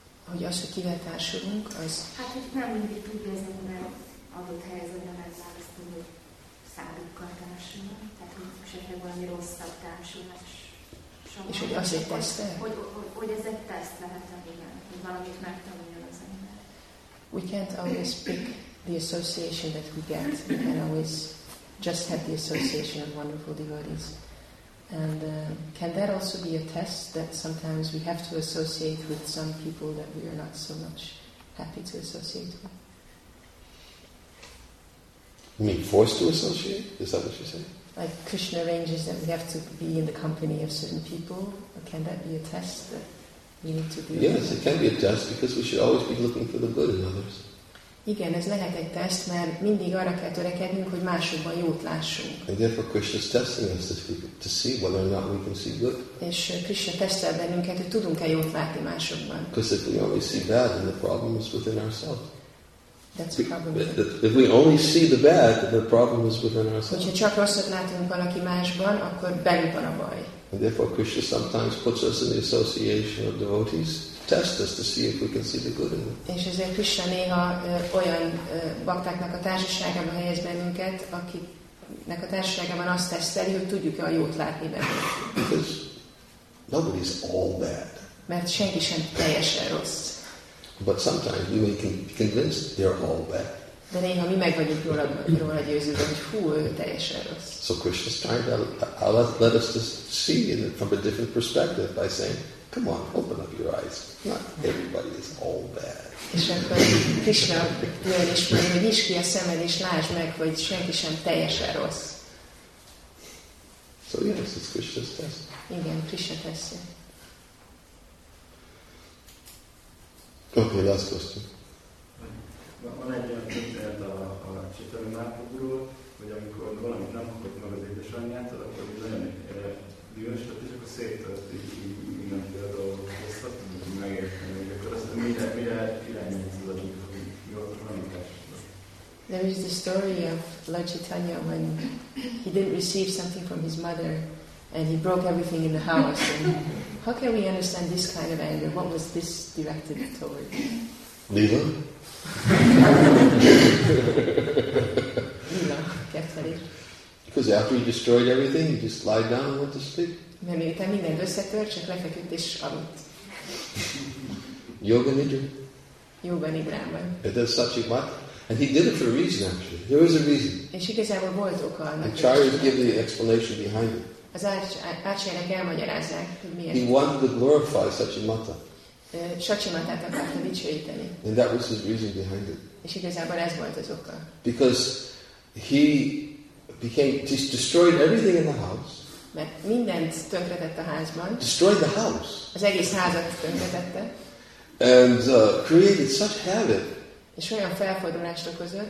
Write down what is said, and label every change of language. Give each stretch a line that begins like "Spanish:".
Hungarian: Hogy az, hogy kivel társulunk, az... Hát, hogy nem mindig tudja az ember adott helyzetben megválasztani, hogy szádukkal társulunk, tehát hogy esetleg valami rosszabb társulás. És hogy az egy teszt? Hogy ez egy teszt lehet, hogy valamit megtanuljon az ember.
English: We can't always pick the association that we get. We can't always just have the association of wonderful devotees. And can that also be a test that sometimes we have to associate with some people that we are not so much happy to associate with? You mean forced to associate? Is that what you're saying? Like Krishna arranges that we have to be in the company of certain people. Can that be a test that we need to be? Yes, it can be a test because we should always be looking for the good in others.
Hungarian: Igen, ez lehet egy teszt, mert mindig arra kell törekednünk, hogy másokban jót lássunk.
English: And therefore Krishna is testing us to see whether or not we can see good.
Hungarian: És Krishna tesztel bennünket, hogy tudunk-e jót látni másokban.
English: Because if we only see bad, then the problem is within ourselves. That's a problem. If we only see the bad, the problem is within ourselves.
Hungarian: Hogyha csak rosszat látunk valaki másban, akkor bennünk van a baj.
English: And therefore Krishna sometimes puts us in the association of devotees to test us to see if we can see the good in them.
Hungarian: És ezért Krishna néha olyan baktáknak a társaságában helyez bennünket, akiknek a társaságában azt teszteli, hogy tudjuk-e a jót látni bennünk.
English: Because nobody is all bad.
Hungarian: Mert senki sem teljesen rossz.
English: But sometimes we may be convinced they're all bad.
Hungarian: De néha mi meg vagyunk róla győződve, hogy hú, ő teljesen rossz.
English: So Krishna is trying to let us to see it from a different perspective by saying, come on, open up your eyes. Not everybody is all bad.
Hungarian: És akkor Krishna jön is mondja, hogy nyisd ki a szemed és lásd meg, hogy senki sem teljesen rossz.
English: So yes, it's Krishna's test.
Hungarian: Igen, Krishna teszi.
English: Okay, last question.
Hungarian: Van egy olyan történet a Csitari Márpogról, hogy amikor valamit nem kapott meg az édesanyjától, akkor nagyon dühös lett, és akkor széttört mindenféle dolgot, ezt nem tudjuk megérteni, hogy akkor azt mire irányítod, hogy mi a tanításra.
English: There is the story of Lord Chaitanya when he didn't receive something from his mother and he broke everything in the house. And how can we understand this kind of anger? What was this directed toward? Lila? Lila, kept at it. Because after he destroyed everything, he just lied down and went to sleep.
Hungarian: Nem, miután mindent összetört, csak lefeküdt és aludt.
English: Yoga nidra?
Hungarian: Yoga nidrában.
English: It does such a much. And he did it for a reason, actually. There is a reason.
Hungarian: És igazából volt oka.
English: And Charya gave the explanation behind it.
Hungarian: Az Acsének elmagyarázzák, hogy miért.
English: He wanted to glorify Satchimata.
Hungarian: Satchimatát akarta dicsőíteni.
English: And that was his reason behind it.
Hungarian: És igazából ez volt az oka.
English: Because he became, just destroyed everything in the house.
Hungarian: Mert mindent tönkretett a házban.
English: Destroyed the house.
Hungarian: Az egész házat tönkretette.
English: And created such havoc.
Hungarian: És olyan felfordulást okozott.